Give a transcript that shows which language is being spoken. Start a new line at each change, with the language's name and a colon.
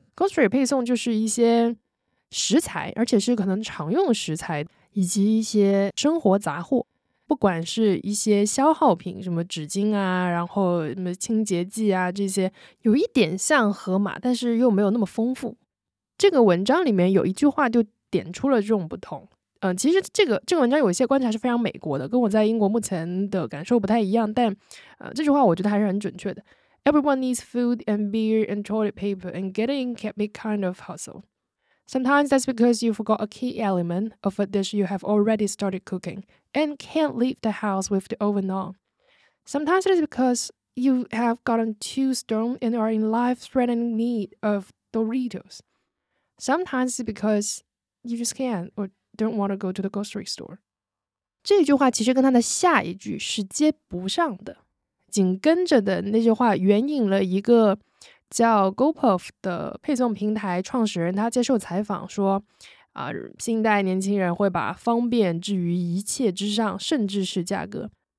Chinese: Grocery 配送就是一些食材，而且是可能常用食材以及一些生活杂货，不管是一些消耗品，什么纸巾啊，然后什么清洁剂啊，这些有一点像盒马，但是又没有那么丰富。这个文章里面有一句话就点出了这种不同。其实这个文章有一些观察是非常美国的，跟我在英国目前的感受不太一样，但这句话我觉得还是很准确的。
English: Everyone needs food and beer and toilet paper, and getting can be kind of hustle. Sometimes that's because you forgot a key element of a dish you have already started cooking and can't leave the house with the oven on. Sometimes it's because you have gotten too stoned and are in life-threatening need of Doritos. Sometimes it's because you just can't or don't want to go to the grocery store.
Chinese: 这句话其实跟它的下一句是接不上的，紧跟着的那句话援引了一个叫 GoPuff 的配送平台创始人，他接受采访说新一代年轻人会把方便置于一切之上，甚至是价格。